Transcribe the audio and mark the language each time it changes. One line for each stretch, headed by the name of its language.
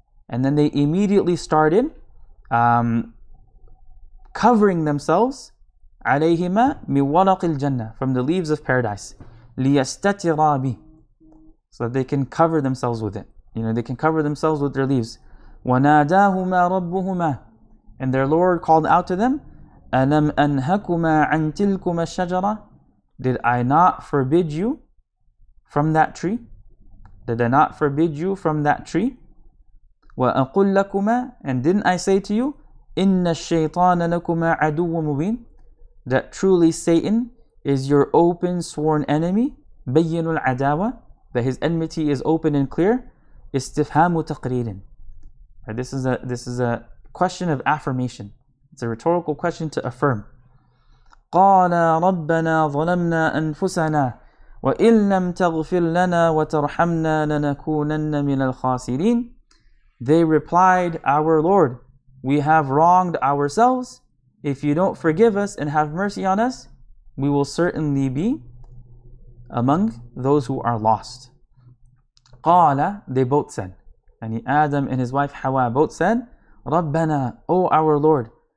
English: And then they immediately started covering themselves
Arabic: عليهما من ورق الجنة,
English: from the leaves of paradise,
Arabic: ليستترا به,
English: so that they can cover themselves with it. You know, they can cover themselves with their leaves.
Arabic: وناداهما ربهما,
English: and their Lord called out to them,
Arabic: ألم أنهكما عن تلكما الشجرة,
English: did I not forbid you from that tree? Did I not forbid you from that tree?
Arabic: وأقول لكما,
English: and didn't I say to you,
Arabic: إن الشيطان لكما عدو مبين,
English: that truly Satan is your open sworn enemy,
Arabic: بين العداوة,
English: that his enmity is open and clear,
Arabic: استفهام تقرير.
English: Right, this is a question of affirmation. It's a rhetorical question to affirm.
Arabic: قال ربنا ظلمنا أنفسنا وإن لم تغفر لنا وترحمنا لنكونن من الخاسرين.
English: They replied, our Lord, we have wronged ourselves. If you don't forgive us and have mercy on us, we will certainly be among those who are lost. قَالَ, they both said, and Adam and his wife Hawa both said, رَبَّنَا, O our Lord,